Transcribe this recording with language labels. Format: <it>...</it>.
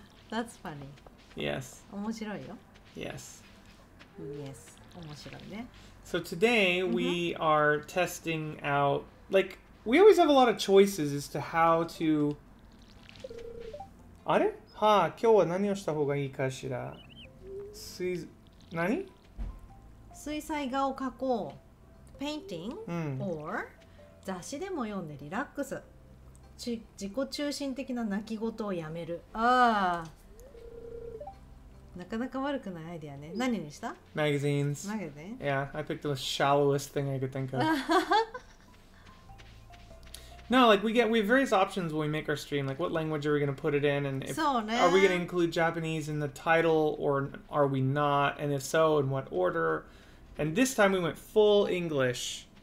<en>That's funny. Yes.</en> <ja>面白いよ.</ja> <en>Yes. Yes.</en> <ja>面白いね.</ja> <en>So today we mm-hmm. are testing out, like, we always have a lot of choices as to how to... Are?</en> <ja>Ha, 今日は何をした方がいいかしら? 水... 何?水彩画を描こう.</ja> <en>Painting or</en> <ja>雑誌でも読んでリラックス. 自己中心的な泣き言をやめる. Ah. なかなか悪くないアイデアね. 何にした?</ja> <en>Magazines. Magazine? Yeah, I picked the shallowest thing I could think of. No, like, we have various options when we make our stream. Like, what language are we going to put it in? And if, are we going to include Japanese in the title, or are we not? And if so, in what order? And this time we went full English.</en>